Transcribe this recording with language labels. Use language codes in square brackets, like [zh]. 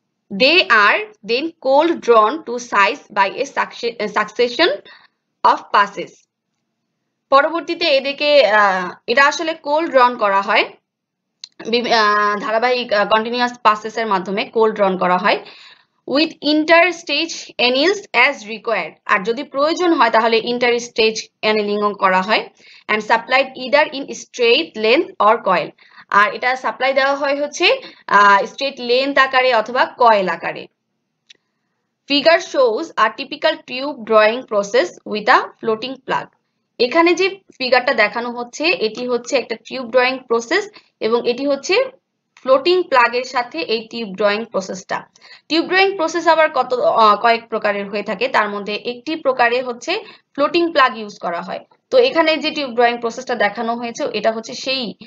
[en] They are then cold drawn to size by a succession of passes. [bn] পরবর্তীতে এদেরকে এটা আসলে cold drawn করা হয় ধারাবাহিক continuous passes এর মাধ্যমে cold drawn করা হয় [en] with interstage anneals as required. [bn] আর যদি প্রয়োজন হয় তাহলে interstage annealing করা হয় [en] and supplied either in straight length or coil. [bn] আর এটা সাপ্লাই দেওয়া হয় হচ্ছে স্ট্রেট লেন্থ আকারে অথবা কয়েল আকারে [en] figure shows a typical tube drawing process with a floating plug [bn] এখানে যে ফিগারটা দেখানো হচ্ছে এটি হচ্ছে একটা টিউব ড্রয়িং প্রসেস এবং এটি হচ্ছে ফ্লোটিং প্লাগের সাথে এই টিউব ড্রয়িং প্রসেসটা টিউব ড্রয়িং প্রসেস আবার কত কয়েক প্রকারের হয়ে থাকে তার মধ্যে একটি প্রকারে হচ্ছে ফ্লোটিং প্লাগ ইউজ করা হয় তো এখানে যে টিউব ড্রয়িং প্রসেসটা দেখানো হয়েছে এটা হচ্ছে সেই